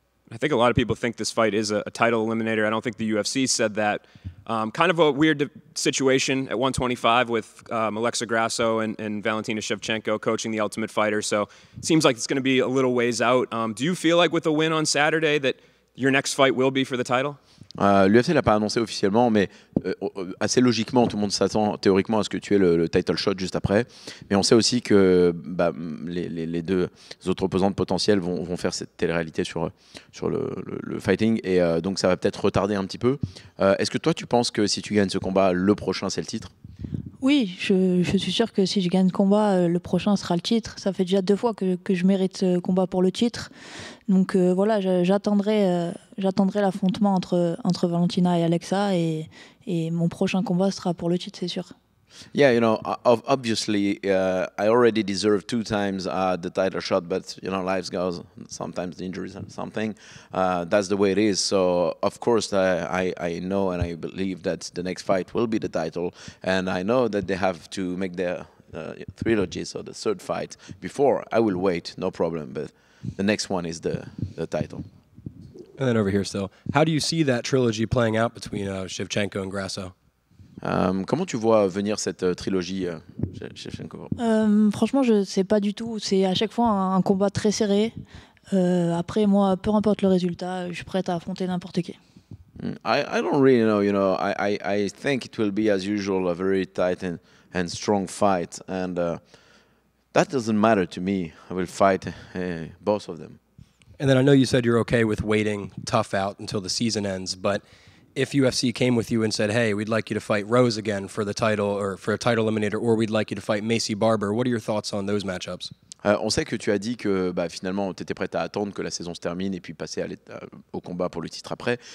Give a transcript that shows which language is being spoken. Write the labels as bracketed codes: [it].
[en] I think a lot of people think this fight is a title eliminator. I don't think the UFC said that. Kind of a weird situation at 125 with Alexa Grasso and Valentina Shevchenko coaching the Ultimate Fighter. So it seems like it's going to be a little ways out. Do you feel like with a win on Saturday that your next fight will be for the title? [fr] L'UFC l'a pas annoncé officiellement, mais assez logiquement, tout le monde s'attend théoriquement à ce que tu aies le title shot juste après. Mais on sait aussi que les deux autres opposantes potentielles vont faire cette télé-réalité sur le fighting. Et donc ça va peut-être retarder un petit peu. Est-ce que toi, tu penses que si tu gagnes ce combat, le prochain, c'est le titre? Oui, je suis sûr que si je gagne ce combat, le prochain sera le titre. Ça fait déjà deux fois que je mérite ce combat pour le titre. Donc voilà, j'attendrai l'affrontement entre Valentina et Alexa et mon prochain combat sera pour le titre, c'est sûr. [en] Yeah, you know, obviously, I already deserve two times the title shot, but, you know, life goes, sometimes injuries and something, that's the way it is. So, of course, I know and I believe that the next fight will be the title, and I know that they have to make their trilogy, so the third fight, before. I will wait, no problem, but the next one is the title. And then over here still, how do you see that trilogy playing out between Shevchenko and Grasso? [fr] Comment tu vois venir cette trilogie, Shevchenko? Franchement, je ne sais pas du tout. C'est à chaque fois un combat très serré. Après, moi, peu importe le résultat, je suis prête à affronter n'importe qui. [en] I don't really know. You know, I think it will be as usual, a very tight and strong fight. And that doesn't matter to me. I will fight both of them. And then I know you said you're okay with waiting tough out until the season ends, but if UFC came with you and said, hey, we'd like you to fight Rose again for the title or for a title eliminator, or we'd like you to fight Maycee Barber, what are your thoughts on those matchups? [fr] On sait que tu as dit que finalement, tu étais prête à attendre que la saison se termine et puis passer au combat pour le titre après.